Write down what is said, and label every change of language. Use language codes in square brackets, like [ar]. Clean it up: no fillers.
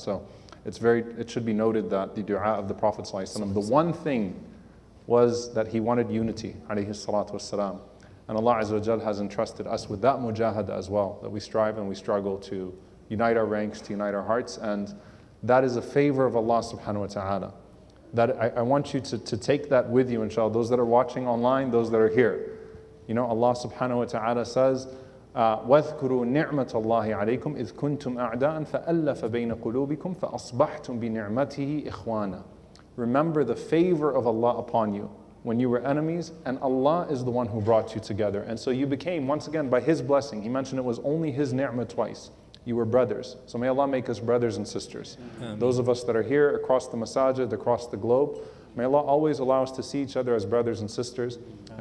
[en] So it should be noted that the dua of the Prophet Sallallahu Alaihi Wasallam, the one thing was that he wanted unity, alayhi salatu wasalam. And Allah Azza wa Jal has entrusted us with that mujahada as well, that we strive and we struggle to unite our ranks, to unite our hearts. And that is a favor of Allah subhanahu wa ta'ala. That I want you to take that with you, inshallah. Those that are watching online, those that are here. You know, Allah subhanahu wa ta'ala says, [ar] وَذْكُرُوا نِعْمَةَ اللَّهِ عَلَيْكُمْ إِذْ كُنْتُمْ أَعْدَاءً فَأَلَّفَ بَيْنَ قُلُوبِكُمْ فَأَصْبَحْتُمْ بِنِعْمَتِهِ إِخْوَانًا. [en] Remember the favor of Allah upon you when you were enemies, and Allah is the one who brought you together. And so you became, once again, by His blessing. He mentioned it was only His ni'mah twice. You were brothers. So may Allah make us brothers and sisters. Amen. Those of us that are here across the masajid, across the globe, may Allah always allow us to see each other as brothers and sisters. Amen.